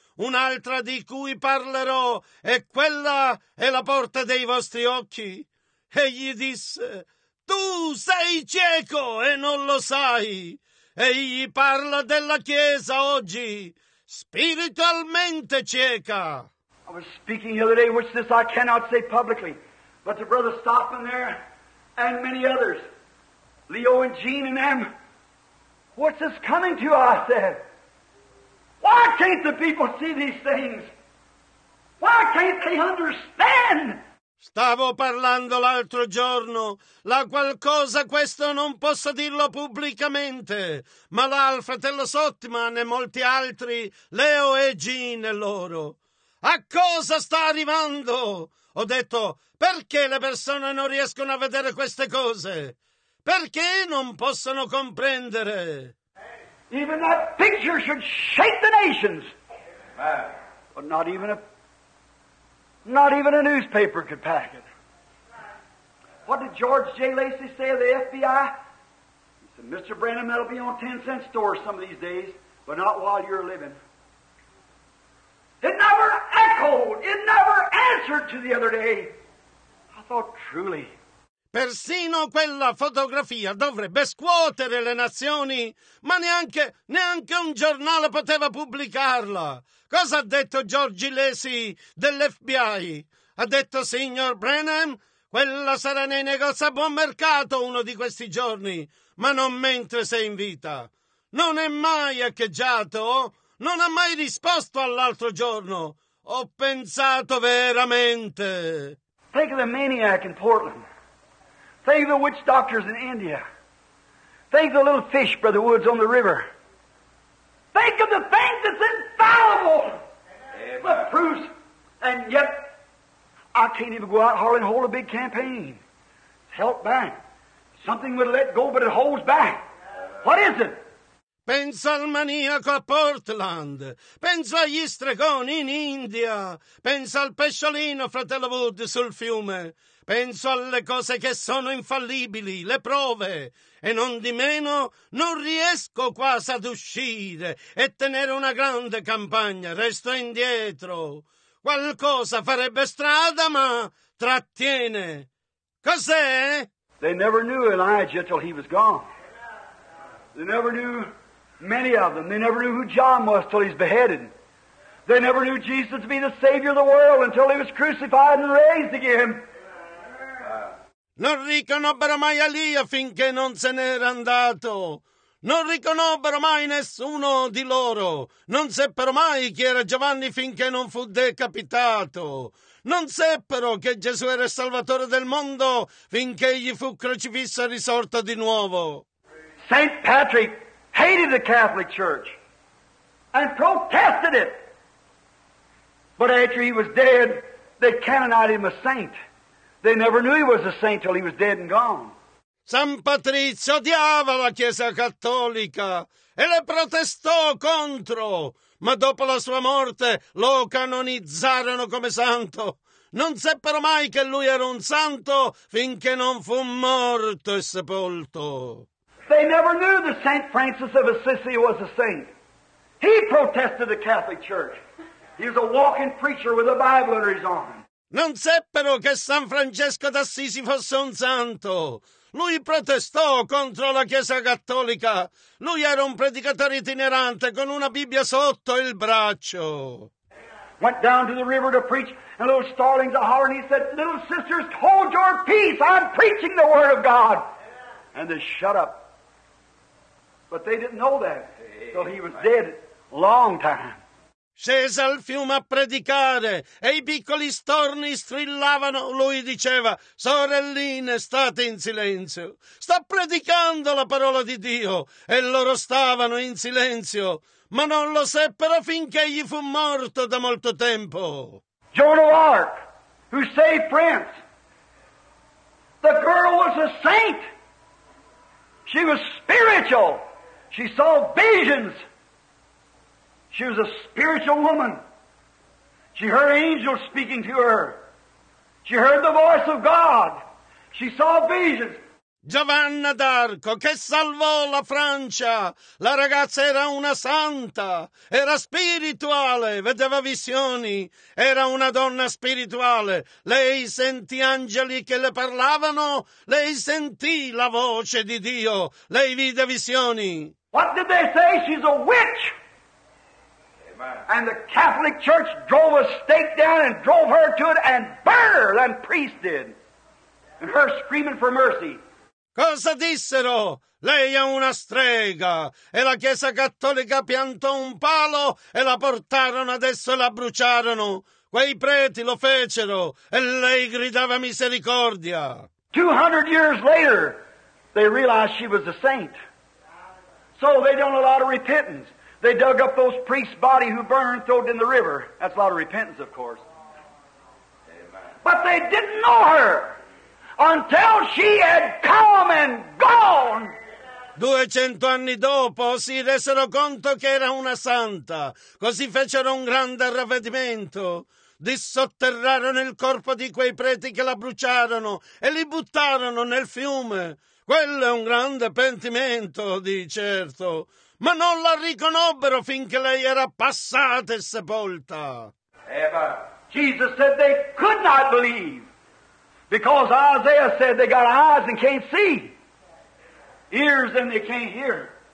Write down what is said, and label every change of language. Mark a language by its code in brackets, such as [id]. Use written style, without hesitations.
[it] Un'altra di cui parlerò è quella è la porta dei vostri occhi. E gli disse... Tu sei cieco e non lo sai. Egli parla della Chiesa oggi, spiritualmente cieca. [en] I was speaking the other day, which this I cannot say publicly, but the brother Stoffman there and many others, Leo and Jean and them, what's this coming to, I said. Why can't the people see these things? Why can't they understand? [it] Stavo parlando l'altro giorno, la qualcosa questo non posso dirlo pubblicamente, ma l'Al, fratello Sottman e molti altri, Leo e Jean e loro. A cosa sta arrivando? Ho detto, perché le persone non riescono a vedere queste cose? Perché non possono comprendere? [en] Even that picture should shake the nations. But not even a... Not even a newspaper could pack it. What did George J. Lacey say of the FBI? He said, Mr. Branham, that'll be on 10-cent stores some of these days, but not while you're living. It never echoed, it never answered to the other day. I thought, truly. [it] Persino quella fotografia dovrebbe scuotere le nazioni, ma neanche un giornale poteva pubblicarla. Cosa ha detto George Lacey dell'FBI? Ha detto, signor Branham, quella sarà nei negozi a buon mercato uno di questi giorni, ma non mentre sei in vita. Non è mai echeggiato, non ha mai risposto all'altro giorno. Ho pensato veramente. [en] Think of the maniac in Portland. Think of the witch doctors in India. Think of the little fish, Brother Woods, on the river. Think of the things that's infallible. Amen. The proofs. And yet, I can't even go out hardly and hold a big campaign. It's held back. Something would let go, but it holds back. What is it? [it] Penso al maniaco a Portland, penso agli stregoni in India, penso al pesciolino, fratello Wood, sul fiume, penso alle cose che sono infallibili, le prove, e non di meno non riesco quasi ad uscire e tenere una grande campagna, resto indietro. Qualcosa farebbe strada, ma trattiene. Cos'è? [en] They never knew Elijah till he was gone. They never knew... Many of them. They never knew who John was till he's beheaded. They never knew Jesus to be the Savior of the world until he was crucified and raised again. [it] Non riconobbero mai Elia finché non se n'era andato. Non riconobbero mai nessuno di loro. Non seppero mai chi era Giovanni finché non fu decapitato. Non seppero che Gesù era il Salvatore del mondo finché egli fu crocifisso e risorto di nuovo. [en] Saint Patrick hated the Catholic Church and protested it. But after he was dead, they canonized him a saint. They never knew he was a saint till he was dead and gone. [it] San Patrizio odiava la Chiesa Cattolica e le protestò contro, ma dopo la sua morte lo canonizzarono come santo. Non seppero mai che lui era un santo finché non fu morto e sepolto. [en] They never knew that Saint Francis of Assisi was a saint. He protested the Catholic Church. He was a walking preacher with a Bible under his arm. [it] Non seppero che San Francesco d'Assisi fosse un santo. Lui protestò contro la Chiesa Cattolica. Lui era un predicatore itinerante con una Bibbia sotto il braccio. [en] Went down to the river to preach, and little starlings a hollering. He said, "Little sisters, hold your peace. I'm preaching the Word of God." And they shut up. But they didn't know that. So he was dead a long time. [it] Scese al fiume a predicare e i piccoli storni strillavano. Lui diceva: "Sorelline, state in silenzio. Sta predicando la parola di Dio." E loro stavano in silenzio, ma non lo seppero finché egli fu morto da molto tempo. [en] Joan of Arc, who saved France. The girl was a saint. She was spiritual. She saw visions. She was a spiritual woman. She heard angels speaking to her. She heard the voice of God. She saw visions. [it] Giovanna d'Arco, che salvò la Francia. La ragazza era una santa. Era spirituale. Vedeva visioni. Era una donna spirituale. Lei sentì angeli che le parlavano. Lei sentì la voce di Dio. Lei vide visioni. [en] What did they say? She's a witch. And the Catholic Church drove a stake down and drove her to it and burned her, than priest did. And her screaming for mercy. [it] Cosa dissero? Lei è una strega. E la Chiesa Cattolica piantò un palo e la portarono adesso e la bruciarono. Quei preti lo fecero e lei gridava misericordia. [en] 200 years later, they realized she was a saint. So they don't allow repentance. They dug up those priests' body who burned and throwed in the river. That's a lot of repentance, of course. But they didn't know her until she had come and gone. [it] 200 anni dopo si resero conto che era una santa. Così fecero un grande ravvedimento. Dissotterrarono il corpo di quei preti che la bruciarono e li buttarono nel fiume. Quello è un grande pentimento, di certo. Ma non la riconobbero finché lei era passata e sepolta. Eva. [en] Jesus said they could not believe because Isaiah said they got eyes and can't see, ears and they can't hear.